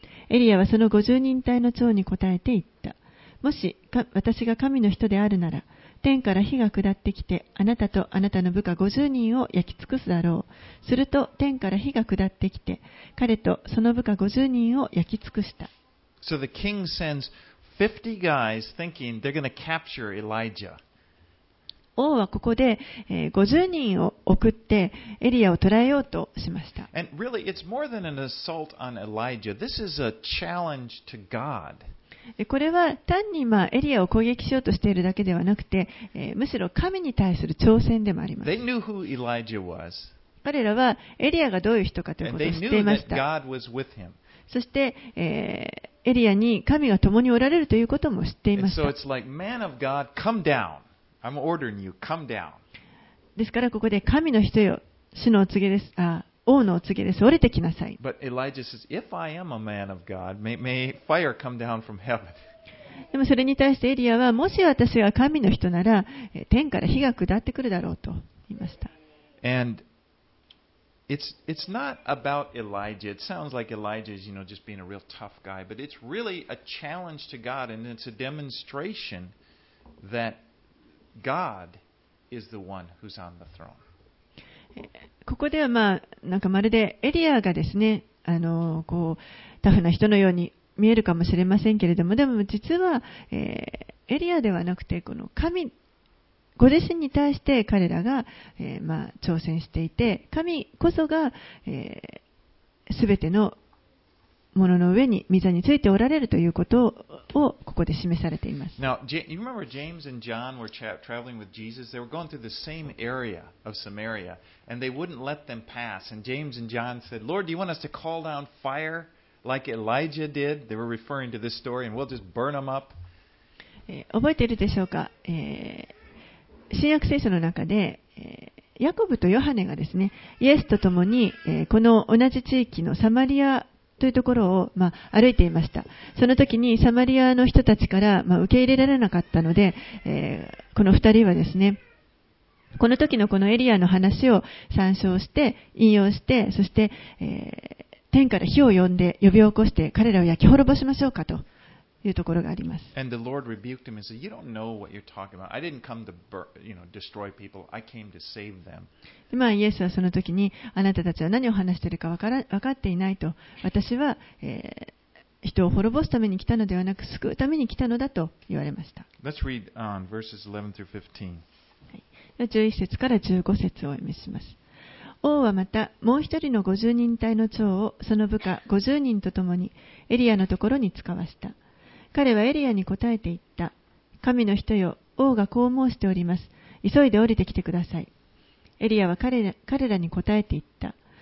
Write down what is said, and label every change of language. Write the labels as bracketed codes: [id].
[ja] エリアはその50人隊の長に答えて言った。もし私が神の人であるなら、天から火が下ってきてあなたとあなたの部下50人を焼き尽くすだろう。すると天から火が下ってきて彼とその部下50人を焼き尽くした。 [en] So the king sends 50 guys thinking they're going to capture Elijah. [ja] 王はここで50人を送ってエリアを捕らえようとしました。 [en] And really, it's more than an assault on Elijah. This is a challenge to God. [ja] これは単にまあエリアを攻撃しようとしているだけではなくて、むしろ神に対する挑戦でもあります。 [en] They knew who Elijah was. [ja] 彼らはエリアがどういう人かということを知っていました。 [en] And they knew that God was with him. [ja] そして、エリアに神が共におられるということも知っていました。 [en] And so it's like, man of God, come down. I'm ordering you, come down. [ja] ですからここで神の人よ、主のお告げです、王のお告げです、降りてきなさい。 [en] But Elijah says, if I am a man of God, may fire come down from heaven. [ja] でもそれに対してエリアは、もし私が神の人なら、天から火が下ってくるだろうと言いました。 [en] And it's not about Elijah. It sounds like Elijah is, you know, just being a real tough guy. But it's really a challenge to God, and it's a demonstration that God is the one who's on the throne. [ja] ここでは、まあ、なんかまるでエリアがですね、こうタフな人のように見えるかもしれませんけれども、でも実は、エリアではなくてこの神ご自身に対して彼らが、まあ、挑戦していて、神こそが、全てのものの上に御座についておられるということをここで示されています。 [en] Now, you remember James and John were traveling with Jesus. They were going through the same area of Samaria, and they wouldn't let them pass. And James and John said, Lord, do you want us to call down fire like Elijah did? They were referring to this story, and we'll just burn them up. [ja] 覚えているでしょうか、新約聖書の中で、ヤコブとヨハネがですね、イエスと共に、この同じ地域のサマリアというところを、まあ、歩いていました。その時にサマリアの人たちから、まあ、受け入れられなかったので、この二人はですね、この時のこのエリアの話を参照して、引用して、そして、天から火を呼んで呼び起こして彼らを焼き滅ぼしましょうかと。いうところがあります。 [en] And the Lord rebuked him and said, You don't know what you're talking about. I didn't come to destroy people. I came to save them. [ja] まあ、イエスはその時に、あなたたちは何を話しているか分かっていないと。私は、人を滅ぼすために来たのではなく、救うために来たのだと言われました。 [en] Let's read on verses 11 through 15. [ja] 11節から15節をお読みします。王はまた、もう一人の50人隊の長を、その部下50人と共に、エリアのところに遣わした。彼はエリアに答えて言った。神の人よ、王がこう申しております。急いで降りてきてください。エリアは彼らに答えて言った。